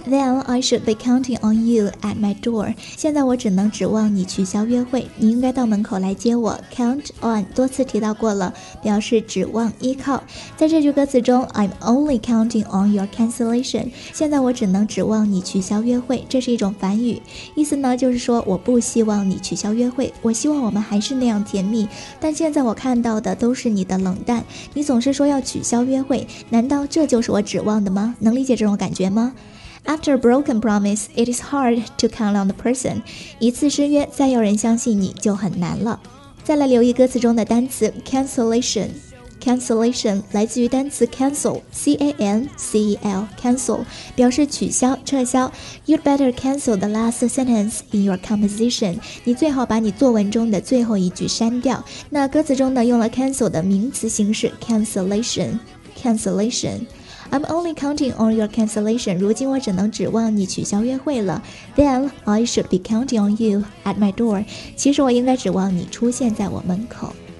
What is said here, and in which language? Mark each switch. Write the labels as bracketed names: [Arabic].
[English] Then I should be counting on you at my door. [Chinese] 现在我只能指望你取消约会，你应该到门口来接我。 Count on 多次提到过了，表示指望依靠。在这句歌词中 ， [English] I'm only counting on your cancellation. [Chinese] 现在我只能指望你取消约会，这是一种反语，意思呢就是说我不希望你取消约会，我希望我们还是那样甜蜜，但现在我看到的都是你的冷淡。你总是说要取消约会，难道这就是我指望？能理解这种感觉吗？ [English] After a broken promise, it is hard to count on the person. [Chinese] 一次失约，再有人相信你就很难了。再来留意歌词中的单词 cancellation。cancellation 来自于单词 cancel, C-A-N-C-E-L, cancel, 表示取消、撤销。 [English] You'd better cancel the last sentence in your composition. [Chinese] 你最好把你作文中的最后一句删掉。那歌词中呢，用了 cancel 的名词形式 cancellation, cancellation. [English] I'm only counting on your cancellation. [Chinese] 如今我只能指望你取消约会了。 [English] Then I should be counting on you at my door. [Chinese] 其实我应该指望你出现在我门口。